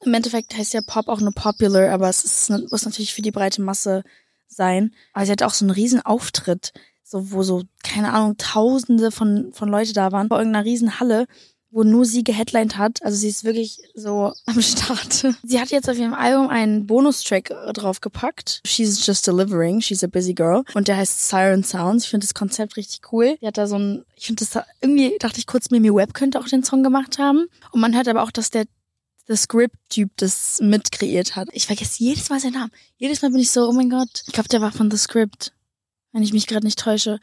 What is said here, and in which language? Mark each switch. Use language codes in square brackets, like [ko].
[de] Im Endeffekt heißt ja Pop auch nur popular. Aber es muss natürlich für die breite Masse sein. Aber sie hatte auch so einen riesen Auftritt, so, wo so, keine Ahnung, Tausende von Leute da waren, vor irgendeiner riesen Halle, wo nur sie geheadlined hat. Also sie ist wirklich so am Start. Sie hat jetzt auf ihrem Album einen Bonustrack draufgepackt. [en] She's just delivering, she's a busy girl. [de] Und der heißt Siren Sounds. Ich finde das Konzept richtig cool. Sie hat da so ein, ich finde das, irgendwie dachte ich kurz, Mimi Webb könnte auch den Song gemacht haben. Und man hört aber auch, dass der The Script-Typ das mitkreiert hat. Ich vergesse jedes Mal seinen Namen. Jedes Mal bin ich so, oh mein Gott. Ich glaube, der war von The Script, wenn ich mich gerade nicht täusche.